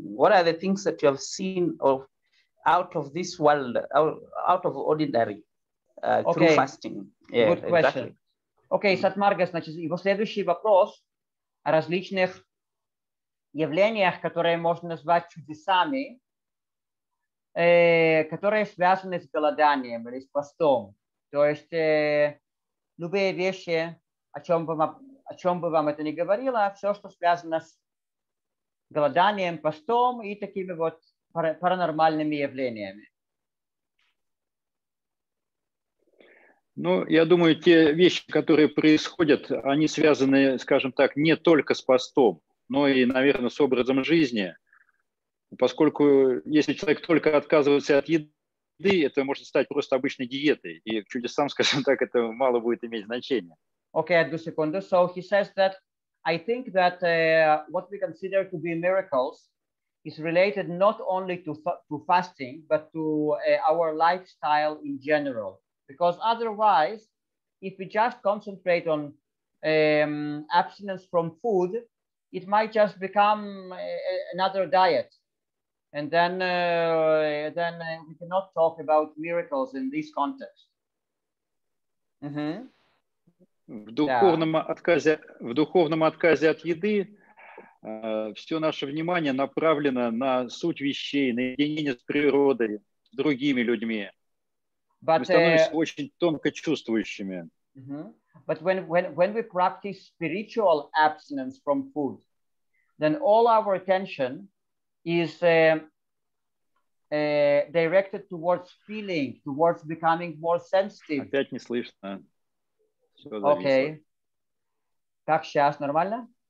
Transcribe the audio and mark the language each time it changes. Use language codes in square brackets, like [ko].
[en] What are the things that you have seen of out of this world, out of ordinary, through fasting? Yeah, good question. Exactly. [ru] Окей, Сатмарга, значит, его следующий вопрос о различных явлениях, которые можно назвать чудесами, которые связаны с голоданием или с постом. То есть любые вещи, о чем бы вам это ни говорило, все, что связано с голоданием, постом и такими вот паранормальными явлениями. Ну, я думаю, те вещи, которые происходят, они связаны, скажем так, не только с постом, но и, наверное, с образом жизни. Поскольку если человек только отказывается от еды, это может стать просто обычной диетой. И к чудесам, скажем так, это мало будет иметь значения. Okay, одну секунду. [en] So he says that I think that what we consider to be miracles is related not only to fasting, but to our lifestyle in general. Because otherwise, if we just concentrate on abstinence from food, it might just become another diet. And then we cannot talk about miracles in this context. Mm-hmm. [ru] В духовном отказе от еды все наше внимание направлено на суть вещей, на единение с природой, с другими людьми. [en] But, [ru] мы становимся очень тонко чувствующими. Mm-hmm. [en] But when we practice spiritual abstinence from food, then all our attention is directed towards feeling, towards becoming more sensitive. [ru] Опять не слышно. Okay. Как сейчас, нормально?